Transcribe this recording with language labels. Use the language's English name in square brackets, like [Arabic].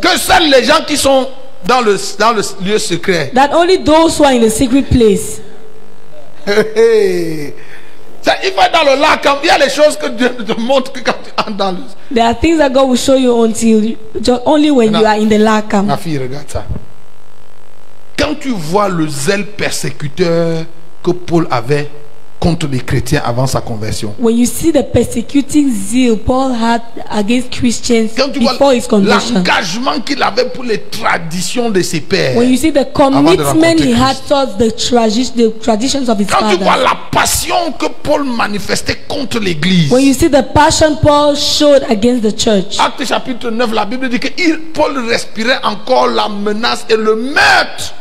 [French] Que seuls les gens qui sont dans le lieu secret. [English] That only those who are in the secret place. If I'm [French] dans le lac, il y a les choses que Dieu te montre que quand tu entres dans le. [English] There are things that God will show you until only when you are in the lac. [French] Ma fille, regarde ça. Quand tu vois le zèle persécuteur que Paul avait contre les chrétiens avant sa conversion. [English] When you see the persecuting zeal Paul had against Christians before his conversion. [French] L'engagement qu'il avait pour les traditions de ses pères. [English] When you see the commitment he had towards the traditions of his [French] quand [English] father. [French] Quand tu vois la passion que Paul manifestait contre l'église. [English] When you see the passion Paul showed against the church. [French] Actes chapitre 9, la Bible dit que Paul respirait encore la menace et le meurtre